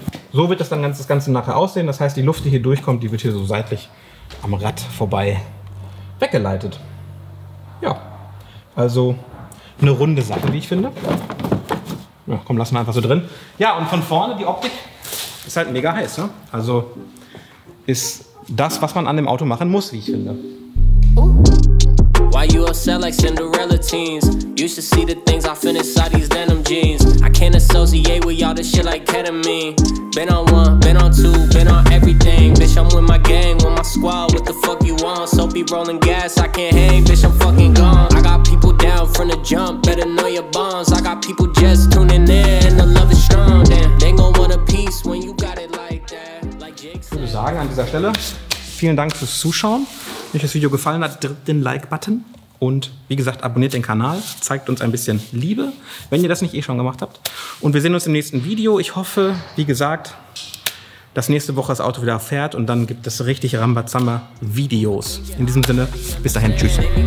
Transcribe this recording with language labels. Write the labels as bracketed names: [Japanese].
[German] So wird das Ganze nachher aussehen. Das heißt, die Luft, die hier durchkommt, die wird hier so seitlich am Rad vorbei weggeleitet. Ja, also eine runde Sache, wie ich finde. Ja, komm, lassen wir einfach so drin. Ja, und von vorne, die Optik ist halt mega heiß. Ne? Also ist das, was man an dem Auto machen muss, wie ich finde. [English] Why you upset like Cinderella teens? You should see the things I finish inside these denim jeans. I can't associate with y'all, this shit like ketamine. Been on one, been on two, been on everything. Bitch, I'm with my gang, with my squad, what the fuck you want? Soapy rolling gas, I can't hang, bitch, I'm fucking gone. I got people down from the jump, better know your bonds. I got people just tuning in and the love is strong. Damn, they gon' want a piece when you got it like that. Like Jake said. [German] Ich würde sagen, an dieser Stelle, vielen Dank fürs Zuschauen. Wenn euch das Video gefallen hat, drückt den Like-Button und wie gesagt, abonniert den Kanal. Zeigt uns ein bisschen Liebe, wenn ihr das nicht eh schon gemacht habt. Und wir sehen uns im nächsten Video. Ich hoffe, wie gesagt, dass nächste Woche das Auto wieder fährt und dann gibt es richtig Rambazamba-Videos. In diesem Sinne, bis dahin, tschüss.